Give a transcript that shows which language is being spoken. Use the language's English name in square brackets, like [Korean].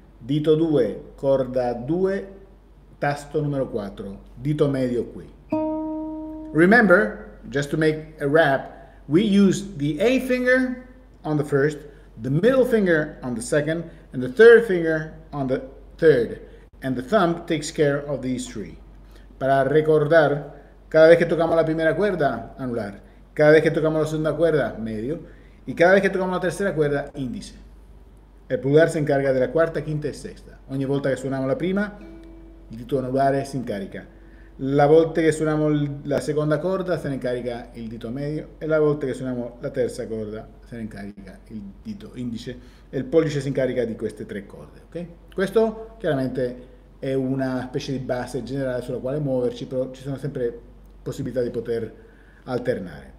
[Italian] Dito 2, corda 2. Tasto numero 4, dito medio qui. [English] Remember, just to make a wrap, we use the A finger on the first, the middle finger on the second, and the third finger on the third. And the thumb takes care of these three. [Spanish] Para recordar, cada vez que tocamos la primera cuerda, anular. Cada vez que tocamos la segunda cuerda, medio. Y cada vez que tocamos la tercera cuerda, índice. El pulgar se encarga de la cuarta, quinta y sexta. [Italian] Ogni volta que suenamos la prima, il dito anulare si incarica. La volta che suoniamo la seconda corda se ne incarica il dito medio e la volta che suoniamo la terza corda se ne incarica il dito indice e il pollice si incarica di queste tre corde. Okay? Questo chiaramente è una specie di base generale sulla quale muoverci, però ci sono sempre possibilità di poter alternare.